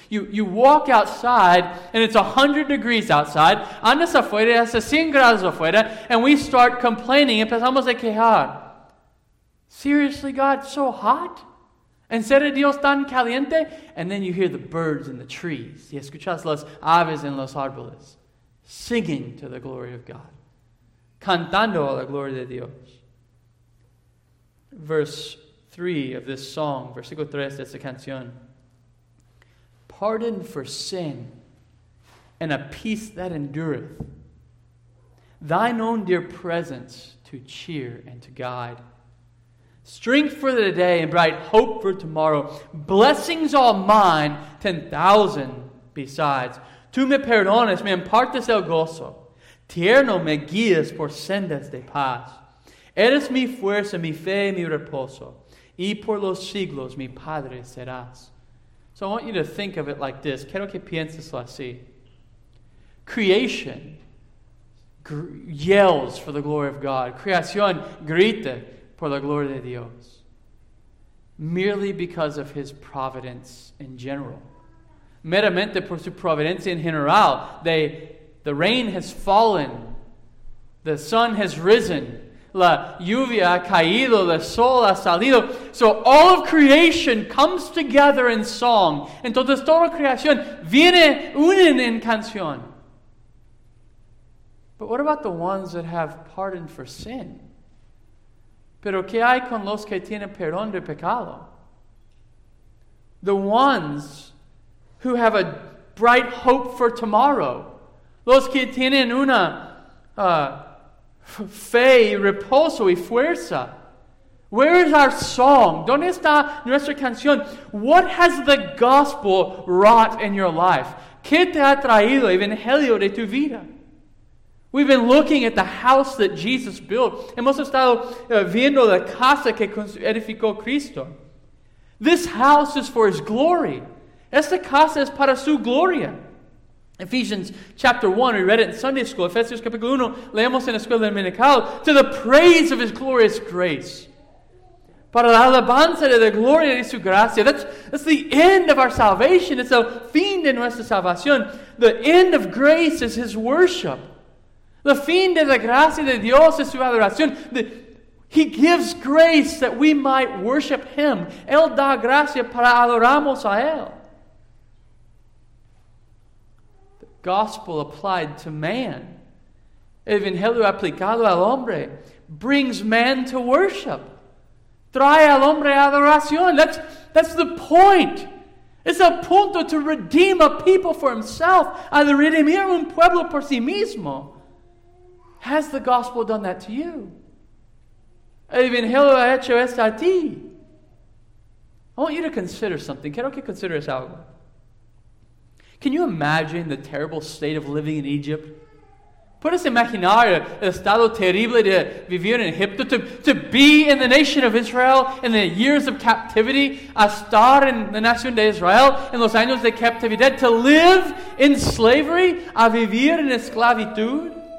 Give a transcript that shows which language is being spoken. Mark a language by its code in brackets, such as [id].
[en] You walk outside, and it's 100 degrees outside. [es] Andas afuera, hace 100 grados afuera, [en] and we start complaining. [es] Empezamos a quejar. [en] Seriously, God, so hot? [es] ¿En serio Dios tan caliente? [en] And then you hear the birds in the trees. [es] Y escuchas las aves en los árboles. [en] Singing to the glory of God. [es] Cantando a la gloria de Dios. [en] Verse 3 of this song, [es] versículo 3 de esta canción. [en] Pardon for sin and a peace that endureth. Thine own dear presence to cheer and to guide. Strength for the day and bright hope for tomorrow. Blessings all mine, 10,000 besides. [es] Tú me perdones, me impartes el gozo. Tierno me guías por sendas de paz. Eres mi fuerza, mi fe, mi reposo. Y por los siglos mi padre serás. [en] So I want you to think of it like this. [es] Quiero que pienses así. [en] Creation yells for the glory of God. [es] Creación grita por la gloria de Dios. [en] Merely because of his providence in general. [es] Meramente por su providencia en general. [en] The rain has fallen. The sun has risen. [es] La lluvia ha caído, el sol ha salido. [en] So all of creation comes together in song. [es] Entonces toda creación viene unen en canción. [en] But what about the ones that have pardon for sin? [es] Pero qué hay con los que tienen perdón de pecado? [en] The ones who have a bright hope for tomorrow. [es] Los que tienen una fe y reposo y fuerza. [en] Where is our song? [es] ¿Dónde está nuestra canción? [en] What has the gospel wrought in your life? [es] ¿Qué te ha traído el evangelio de tu vida? [en] We've been looking at the house that Jesus built. [es] Hemos estado viendo la casa que edificó Cristo. [en] This house is for his glory. [es] Esta casa es para su gloria. [en] Ephesians chapter 1, we read it in Sunday school. [es] Ephesians capítulo 1, leemos en la escuela dominical. [en] To the praise of his glorious grace. [es] Para la alabanza de la gloria de su gracia. [en] That's the end of our salvation. [es] It's el fin de nuestra salvación. [en] The end of grace is his worship. [es] The fin de la gracia de Dios es su adoración. [en] He gives grace that we might worship him. [es] Él da gracia para adoramos a él. [en] Gospel applied to man. [es] Evangelio aplicado al hombre [en] brings man to worship. [es] Trae al hombre adoración. [en] That's the point. It's a punto to redeem a people for himself. [es] A redimir un pueblo por sí mismo. [en] Has the gospel done that to you? [es] Evangelio ha hecho esto a ti. [en] I want you to consider something. [es] Quiero que consideres algo. [en] Can you imagine the terrible state of living in Egypt? [es] Puedes imaginar el estado terrible de vivir en Egipto, [en] to be in the nation of Israel in the years of captivity, [es] a estar en la nación de Israel en los años de captividad, [en] to live in slavery, [es] a vivir en esclavitud?